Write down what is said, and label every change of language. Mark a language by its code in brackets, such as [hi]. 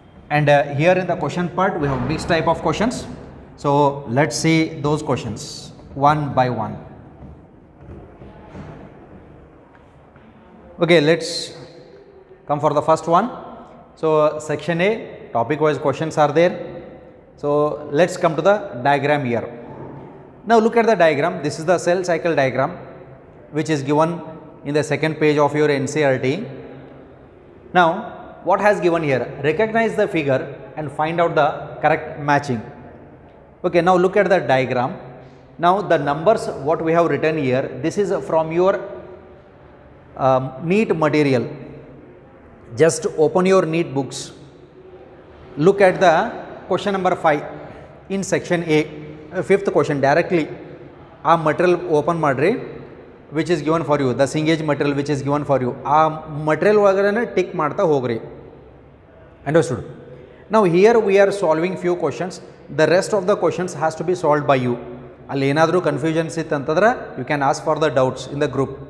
[en] And here in the question part we have mix type of questions. So let's see those questions one by one. Okay, let's come for the first one. So section A topic wise questions are there. So let's come to the diagram here. ನಾವು look at the diagram. This is the cell cycle diagram which is given in the second page of your NCERT. Now, what has given here? Recognize the figure and find out the correct matching. Okay, now look at the diagram. Now, the numbers what we have written here, this is from your NEET material. Just open your NEET books. Look at the question number 5 in section A, fifth question directly. Our material open madre. Which is given for you the ಸಿಂಗೇಜ್ material which is given for you. [kn] ಆ material ಒಳಗಡೆ tick ಮಾಡ್ತಾ ಹೋಗ್ರಿ. [en] Understood? ನಾವು here we are solving few questions, the rest of the questions has to be solve by you. [kn] ಅಲ್ಲಿ ಏನಾದರೂ confusions ಇತ್ತಂತಂದ್ರೆ [en] You can ask for the doubts in the group.